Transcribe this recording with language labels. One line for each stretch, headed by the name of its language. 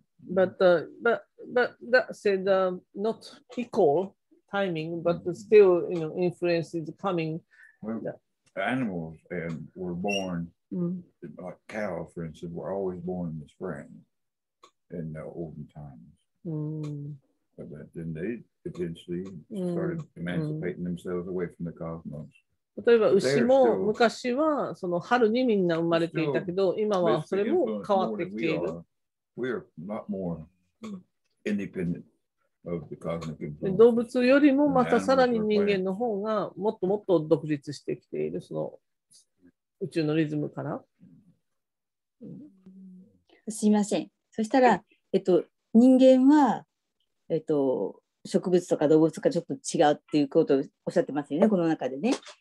English: But that said, not equal timing, but still, you know, influence is coming. Well, yeah. Animals and were born, mm. like cow, for instance, were always born in the spring in the olden times. Mm. But then they... potentially started emancipating themselves away from the cosmos.
Japanese: 例えば牛も昔はその春にみんな生まれていたけど、今はそれも変わってきている。
English: We are not more independent of the cosmic influence.
Japanese: 動物よりもまたさらに人間の方がもっともっと独立してきている、その宇宙のリズムから。すいません。そしたら、人間は、植物とか動物とかちょっと違うっていうことをおっしゃってますよね、この中でね。